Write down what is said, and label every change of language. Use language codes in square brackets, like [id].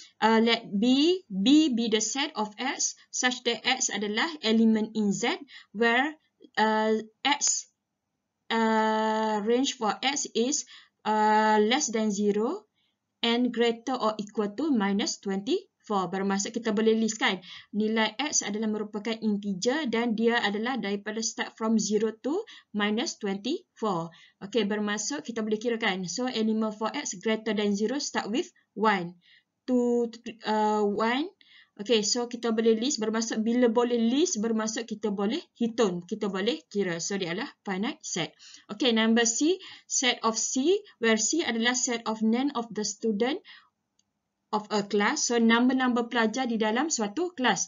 [en] Let B be the set of X such that X [ms] adalah [en] element in Z where X range for X is less than 0 and greater or equal to minus 24. [ms] Bermaksud kita boleh listkan nilai X adalah merupakan integer dan dia adalah daripada [en] start from 0 to minus 24. [ms] Okey, bermaksud kita boleh kirakan. [en] So, element for X greater than 0 start with 1. [ms] 1. Okey, so kita boleh list. Bermaksud bila boleh list, bermaksud kita boleh hitung. Kita boleh kira. So, dia adalah finite set. [en] Okey, number C. Set of C, where C [ms] adalah [en] set of name of the student of a class. [ms] So, nombor-nombor pelajar di dalam suatu kelas.